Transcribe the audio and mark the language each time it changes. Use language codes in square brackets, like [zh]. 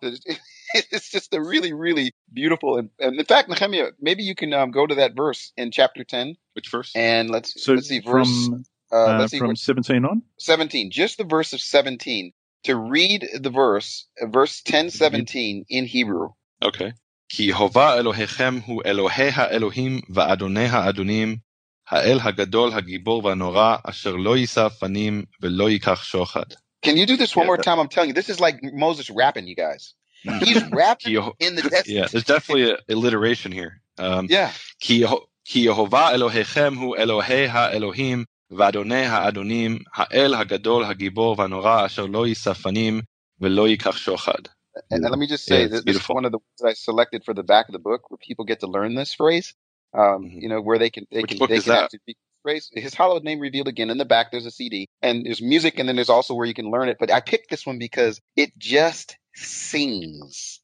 [en] It's just a really, really beautiful. And in fact, Nehemiah, maybe you can go to that verse in chapter 10. Which verse? And let's see, from 17 on? 17, just the verse of 17. To read the verse, verse 10:17 in Hebrew. Okay. [he] כי יהוה אלוהיכם הוא אלוהי האלוהים ואדוני האדונים, האל הגדול, הגיבור והנורא, אשר לא יישא פנים ולא ייקח שוחד. [en] Can you do this one more time? I'm telling you, this is like Moses rapping, you guys. He's rapping in the desert. Yeah, there's definitely an alliteration here. [he] כי יהוה אלוהיכם הוא אלוהי האלוהים ואדוני האדונים, האל הגדול, הגיבור והנורא, אשר לא יישא פנים ולא ייקח שוחד. [en] And let me just say, this is one of the ones I selected for the back of the book where people get to learn this phrase, you know, where they can actually speak this phrase. His hallowed name revealed again. In the back, there's a CD and there's music. And then there's also where you can learn it. But I picked this one because it just sings.